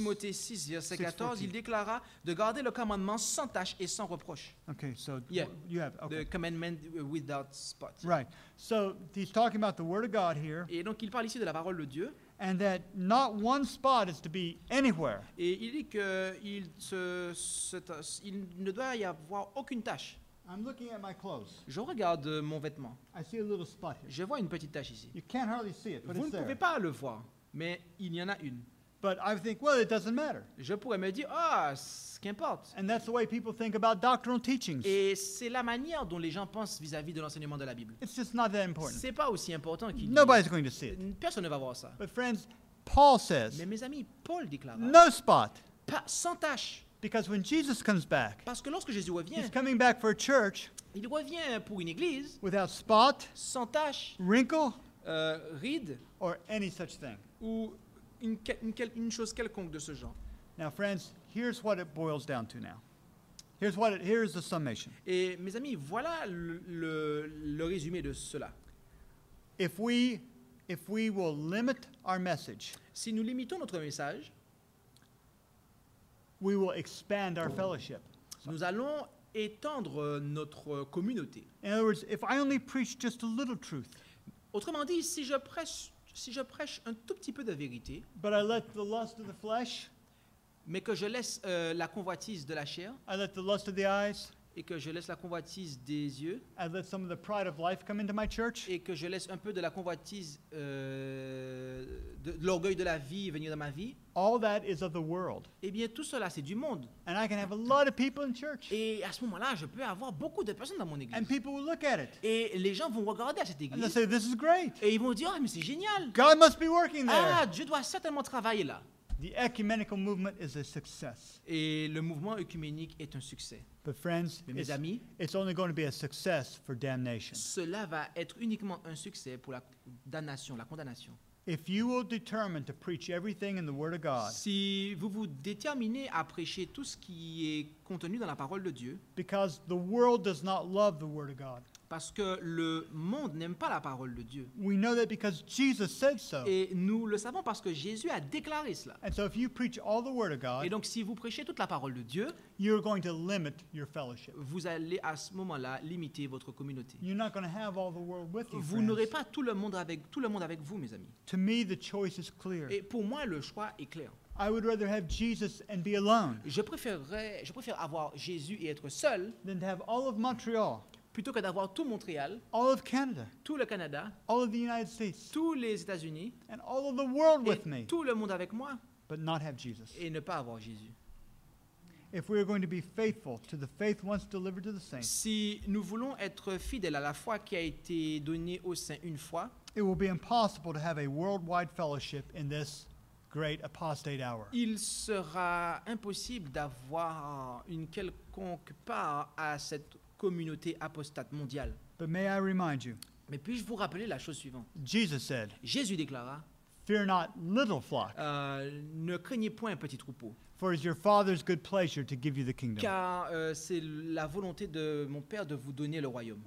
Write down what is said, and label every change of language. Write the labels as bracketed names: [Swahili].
[French] 1 Timothée 6, verset 6, 14, 14, il déclara de garder le commandement sans tache et sans reproche. [English] Okay, so yeah. You have okay. The commandment without spot. Right. So he's talking about the word of God here. [French] Et donc il parle ici de la parole de Dieu. [English] And that not one spot is to be anywhere. [French] Et il dit que il ne doit y avoir aucune tache. [English] I'm looking at my clothes. [French] Je regarde mon vêtement. [English] I see a little spot here. [French] Je vois une petite tache ici. [English] You can't hardly see it, but [French] Vous [English] it's [French] ne pouvez [English] there. [French] Pas le voir, mais il y en a une. [English] But I think, well, it doesn't matter. [French] Je pourrais me dire, qu'importe. [English] And that's the way people think about doctrinal teachings. [French] Et c'est la manière dont les gens pensent vis-à-vis de l'enseignement de la Bible. [English] It's just not that important. [French] C'est pas aussi important qu'il. [English] Nobody's going to see it. [French] Personne ne va voir ça. [English] But friends, Paul says. [French] Mais mes amis, Paul déclare. [English] No spot. [French] Pas sans tache. [English] Because when Jesus comes back. [French] Parce que lorsque Jésus revient. [English] He's coming back for a church. [French] Il revient pour une église. [English] Without spot. [French] Sans tache. [English] Wrinkle. [French] Ride. [English] Or any such thing. [French] Ou une chose quelconque de ce genre. [English] Now, friends, here's what it boils down to now. Here's the summation. [French] Et mes amis, voilà le résumé de cela. [English] If we will limit our message, [French] si nous limitons notre message, [English] we will expand our fellowship. [French] Nous allons étendre notre communauté. [English] In other words, if I only preach just a little truth. [French] Autrement dit, si je prêche un tout petit peu de vérité, [English] but I let the lust of the flesh, [French] mais que je laisse la convoitise de la chair, [English] I let the lust of the eyes, [French] et que je laisse la convoitise des yeux, [English] I let some of the pride of life come into my church, [French] et que je laisse un peu de la convoitise de l'orgueil de la vie venir dans ma vie, [English] all that is of the world. [French] Et bien tout cela c'est du monde. [English] And I can have a lot of people in church. [French] Et à ce moment-là, je peux avoir beaucoup de personnes dans mon église. [English] And people will look at it. [French] Et les gens vont regarder à cette église. [English] And they'll say, this is great. [French] Et ils vont dire, mais c'est génial. [English] God must be working there. [French] Ah, Dieu doit certainement travailler là. [English] The ecumenical movement is a success. [French] Et le mouvement œcuménique est un succès. [English] But friends, [French] mais mes amis, [English] it's only going to be a success for damnation. [French] Cela va être uniquement un succès pour la damnation, la condamnation. [English] If you will determine to preach everything in the Word of God, [French] si vous vous déterminez à prêcher tout ce qui est contenu dans la parole de Dieu, [English] because the world does not love the Word of God. [French] Parce que le monde n'aime pas la parole de Dieu. [English] We know that because Jesus said so. [French] Et nous le savons parce que Jésus a déclaré cela. [English] And so if you preach all the word of God, [French] et donc si vous prêchez toute la parole de Dieu, [English] you're going to limit your fellowship. [French] Vous allez à ce moment-là limiter votre communauté. [English] You're not going to have all the world with you. [French] Vous n'aurez pas tout le monde avec vous, mes amis. [English] To me, the choice is clear. [French] Et pour moi, le choix est clair. [English] I would rather have Jesus and be alone. [French] Je préfère avoir Jésus et être seul. [English] Than to have all of Montreal. [French] Plutôt que d'avoir tout Montréal, [English] all of Canada, [French] tout le Canada, [English] all of the United States, [French] tous les États-Unis, [English] and all of the world [French] et [English] with me, [French] tout le monde avec moi, [English] but not have Jesus. [French] Et ne pas avoir Jésus. [English] If we are going to be faithful to the faith once delivered to the saints, [French] si nous voulons être fidèles à la foi qui a été donnée aux saints une fois, [English] it will be impossible to have a worldwide fellowship in this great apostate hour. [French] Il sera impossible d'avoir une quelconque part à cette communauté apostate mondiale. [English] But may I remind you, [French] mais puis-je vous rappeler la chose suivante? [English] Jesus said, [French] Jésus déclara, [English] fear not little flock, [French] ne craignez point un petit troupeau, [English] for it's your father's good pleasure to give you the kingdom. [French] Car c'est la volonté de mon père de vous donner le royaume.